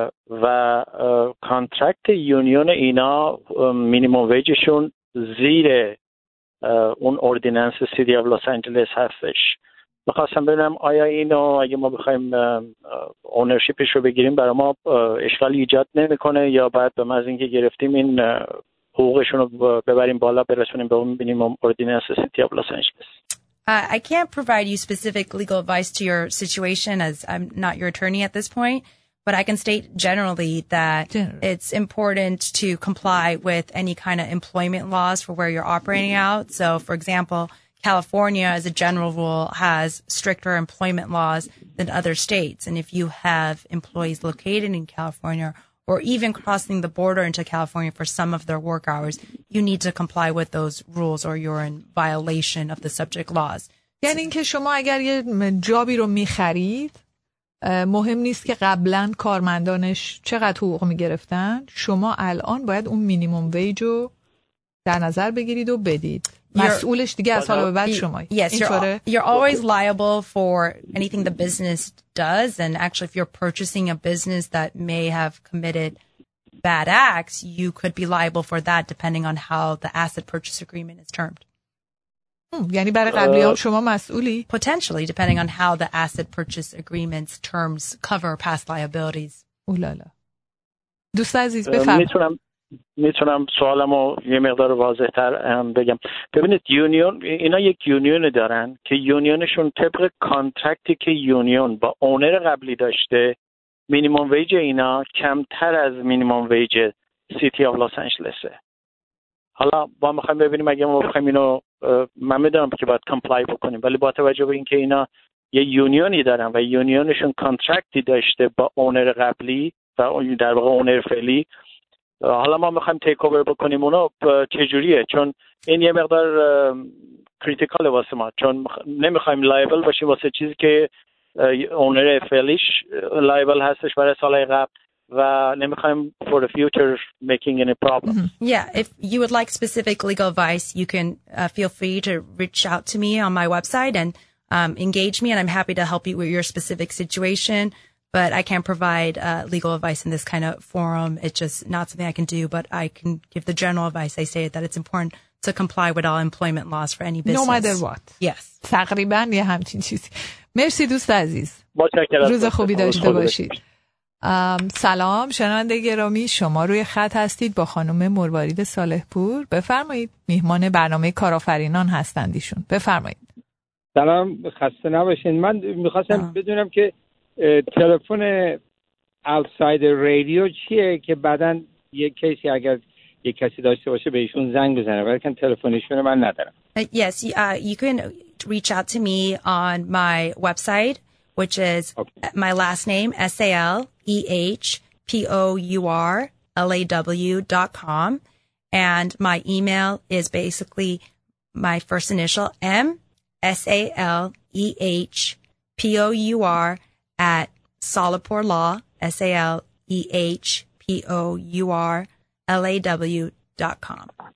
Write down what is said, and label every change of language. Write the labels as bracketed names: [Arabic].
[Persian] و کانترکت یونیون اینا مینیموم ویجشون زیر اون اوردیننس سیتی آف لس آنجلس هستش، می‌خواستم ببینم آیا اینو اگه ما بخوایم اونرشیپش رو بگیریم برای ما اشکالی ایجاد نمی‌کنه یا بعد به محض اینکه گرفتیم این حقوقشون رو ببریم بالا برسونیم به اون مینیمم اوردیننس سیتی آف لس آنجلس. [English] I can't provide you specific legal advice to your situation as I'm not your attorney at this point, but I can state generally that it's important to comply with any kind of employment laws for where you're operating out. So for example, California, as a general rule, has stricter employment laws than other states. And if you have employees located in California or even crossing the border into California for some of their work hours, you need to comply with those rules or you're in violation of the subject laws. [Persian] یعنی این که شما اگر یه جابی رو میخرید، مهم نیست که قبلا کارمندانش چقدر حقوق میگرفتن، شما الان باید اون مینیموم ویج رو در نظر بگیرید و بدید. مسئولش دیگه از حالا به بعد شمایی. [English] Yes, you're always liable for anything the business does, and actually if you're purchasing a business that may have committed bad acts, you could be liable for that depending on how the asset purchase agreement is termed. [Persian] یعنی برای قبلی هم شما مسئولی؟ [English] Potentially, depending on how the asset purchase agreement's terms cover past liabilities. [Persian] اولالا. دوست عزیز بفرم. میتونم سوالمو یه مقدار واضح تر بگم. ببینید، یونیون اینا یک یونیون دارن که یونیونشون طبق کانترکتی که یونیون با اونر قبلی داشته، مینیموم ویج اینا کمتر از مینیموم ویج سیتی آف لس آنجلسه. حالا با میخوایم ببینیم اگه ما بخوایم اینو، من میدونم که باید کمپلای بکنیم، ولی با توجه به اینکه اینا یه یونیونی دارن و یونیونشون کانترکتی داشته با اونر قبلی و در واقع اونر فعلی، حالا ما میخوایم تیک اوور بکنیم اونا چجوریه؟ چون این یه مقدار کریتیکاله واسه ما، چون نمیخوایم لایبل باشیم واسه چیزی که اونر فعلیش لایبل هستش برای سالهای قبل، و نمیخوایم [English] for the future making any problems. Mm-hmm. Yeah, if you would like specific legal advice, you can feel free to reach out to me on my website and engage me, and I'm happy to help you with your specific situation. But I can't provide legal advice in this kind of forum. It's just not something I can do. But I can give the general advice. I say that it's important to comply with all employment laws for any business. No matter what. Yes. [Persian] تقریبا یه همچین چیزی. مرسی دوست عزیز. متشکرم. روز خوبی داشته باشید. سلام شنونده گرامی، شما روی خط هستید با خانم مروارید صالح‌پور. بفرمایید، میهمان برنامه کارآفرینان هستند ایشون. بفرمایید. سلام، خسته نباشین. من میخواستم بدونم که تلفن آوتساید رادیو چیه که بعدن یک کیسی اگر یک کسی داشته باشه به ایشون زنگ بزنه، ولیکن تلفنشون من ندارم. [English] Yes, you can reach out to me on my website, which is my last name, SalehPourlaw.com. And my email is basically my first initial, MSalehPour@SalePourlaw.com.